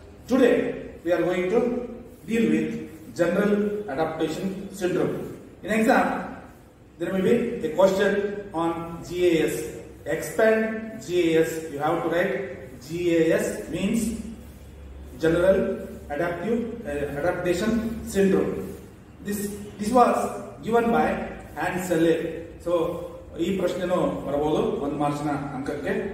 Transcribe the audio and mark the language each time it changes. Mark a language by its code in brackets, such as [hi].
[en] Today we are going to deal with general adaptation syndrome. In example, there may be a question on GAS, expand GAS, you have to write GAS means general adaptation syndrome. This was given by Hans Selle. [kn] So, ಈ ಪ್ರಶ್ನೆನು ಬರಬಹುದು ಒಂದು marks ನ ಅಂಕಕ್ಕೆ.